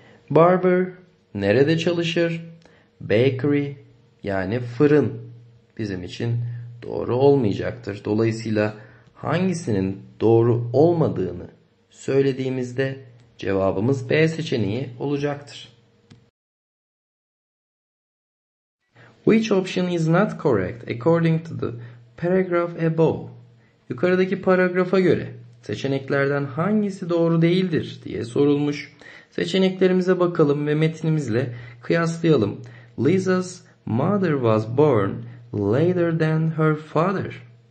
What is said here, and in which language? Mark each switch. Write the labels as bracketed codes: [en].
[tr] Barber nerede çalışır? Bakery, yani fırın, bizim için doğru olmayacaktır. Dolayısıyla hangisinin doğru olmadığını söylediğimizde cevabımız B seçeneği olacaktır. [en] Which option is not correct according to the paragraph above? [tr] Yukarıdaki paragrafa göre seçeneklerden hangisi doğru değildir diye sorulmuş. Seçeneklerimize bakalım ve metnimizle kıyaslayalım. [en] Lisa's mother was born later than her father.